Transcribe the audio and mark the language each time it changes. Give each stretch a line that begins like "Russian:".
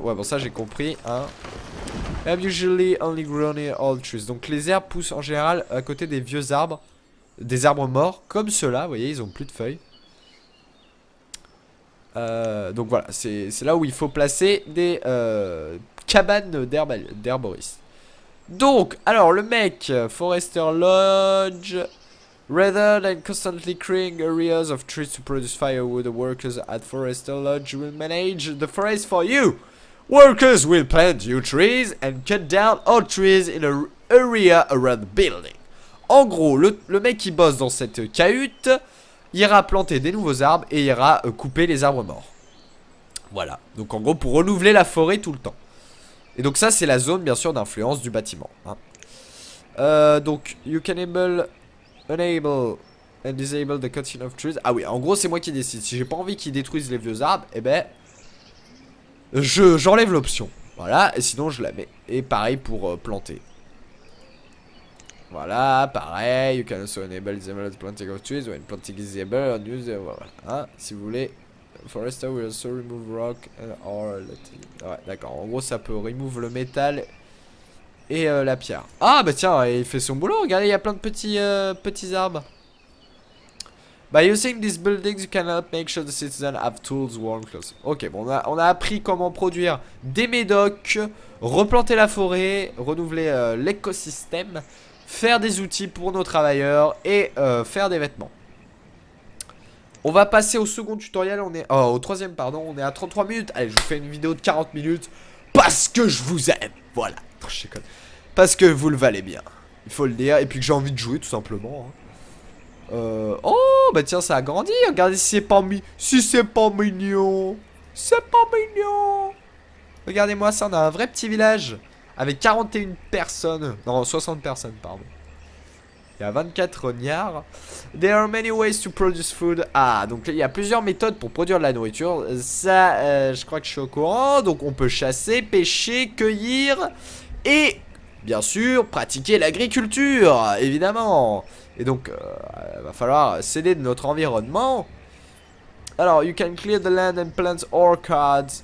French: Ouais, bon, ça j'ai compris, hein.
English: Herbs usually only grown near old trees.
French: Donc, les herbes poussent en général à côté des vieux arbres, des arbres morts, comme ceux-là, vous voyez, ils ont plus de feuilles. Donc voilà, c'est là où il faut placer des cabanes d'herboristes. Donc, alors le mec,
English: Forester Lodge, rather than constantly clearing areas of trees to produce firewood, the workers at Forester Lodge will manage the forest for you. Workers will plant new trees and cut down old trees in an area around the building.
French: En gros, le mec qui bosse dans cette cahute ira planter des nouveaux arbres et ira couper les arbres morts. Voilà, donc en gros pour renouveler la forêt tout le temps. Et donc ça, c'est la zone, bien sûr, d'influence du bâtiment. Hein.
English: Donc, you can enable and disable the cutting of trees.
French: Ah oui, en gros, c'est moi qui décide. Si j'ai pas envie qu'ils détruisent les vieux arbres, eh ben, j'enlève l'option. Voilà, et sinon, je la mets. Et pareil pour planter. Voilà, pareil.
English: You can also enable disable the planting of trees when planting is disabled or use.
French: Voilà, hein, si vous voulez.
English: Forester will also remove rock and ore.
French: Ouais, d'accord. En gros, ça peut remove le métal et la pierre. Ah, bah tiens, il fait son boulot. Regardez, il y a plein de petits arbres.
English: By using these buildings, you cannot make sure the citizens have tools, warm clothes.
French: Ok, bon, on a appris comment produire des médocs, replanter la forêt, renouveler l'écosystème, faire des outils pour nos travailleurs et faire des vêtements. On va passer au second tutoriel, on est... Oh, au troisième, pardon, on est à 33 minutes. Allez, je vous fais une vidéo de 40 minutes parce que je vous aime. Voilà. Parce que vous le valez bien. Il faut le dire. Et puis que j'ai envie de jouer, tout simplement. Oh, bah tiens, ça a grandi. Regardez si c'est pas mignon. Si c'est pas mignon. C'est pas mignon. Regardez-moi ça, on a un vrai petit village. Avec 41 personnes. Non, 60 personnes, pardon. Il y a 24 renards.
English: There are many ways to produce food.
French: Ah, donc il y a plusieurs méthodes pour produire de la nourriture. Ça, je crois que je suis au courant. Donc on peut chasser, pêcher, cueillir. Et, bien sûr, pratiquer l'agriculture, évidemment. Et donc, il va falloir s'aider de notre environnement. Alors,
English: you can clear the land and plant orchards.